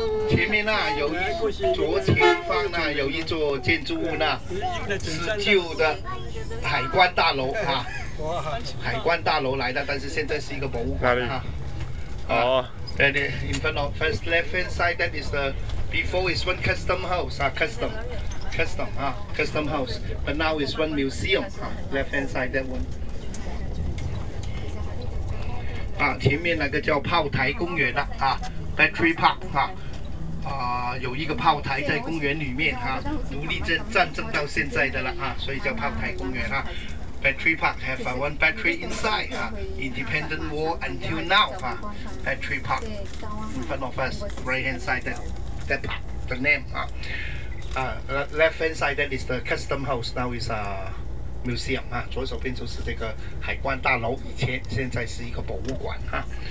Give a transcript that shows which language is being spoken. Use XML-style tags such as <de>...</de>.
<zh>前面那有一左前方那有一座建筑物，那是旧的海关大楼啊，海关大楼来的，但是现在是一个博物馆啊。好，</zh> <en>对对 ，in front of first left hand side that is the before is one custom house 啊 custom 啊 custom house， but now is one museum 啊 left hand side that one。</en> <zh>啊，前面那个叫炮台公园的 啊， Battery Park 啊， 啊，有一个炮台在公园里面啊，独立战战争到现在的了啊，所以叫炮台公园啊。</zh> <en>Battery Park have one battery inside 啊 ，Independent War until now 啊 ，Battery Park in front of us right hand side that park the name 啊，left hand side that is the custom house now is a museum 啊，</en> <zh>左手边就是这个海关大楼，以前现在是一个博物馆啊。</zh>